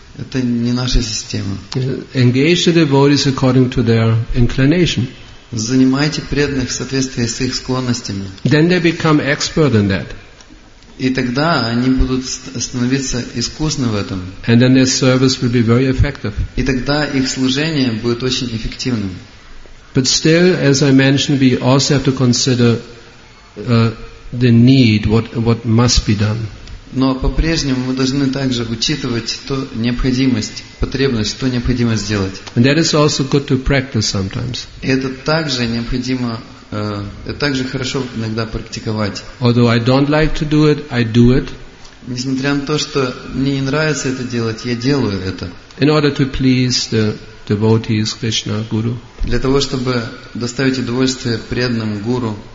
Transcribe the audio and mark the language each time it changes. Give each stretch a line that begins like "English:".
Russian: Это не наша система.
English: Engage the devotees according to their inclination.
Russian: Занимайте преданных в соответствии с их склонностями.
English: Then they become expert in that.
Russian: И тогда они будут становиться искусны в этом.
English: And then their service will be very effective.
Russian: И тогда их служение будет очень эффективным.
English: But still, as I mentioned, we also have to consider the need, what must be done.
Russian: Но по-прежнему мы должны также учитывать ту необходимость, потребность, что необходимо сделать.
English: And that is also good to practice sometimes.
Russian: Это также необходимо, это также хорошо иногда практиковать.
English: Although I don't like to do it, I do it.
Russian: Несмотря на то, что мне не нравится это делать, я делаю это.
English: In order to please the devotees, Krishna, Guru.
Russian: Для того, чтобы доставить удовольствие преданным гуру.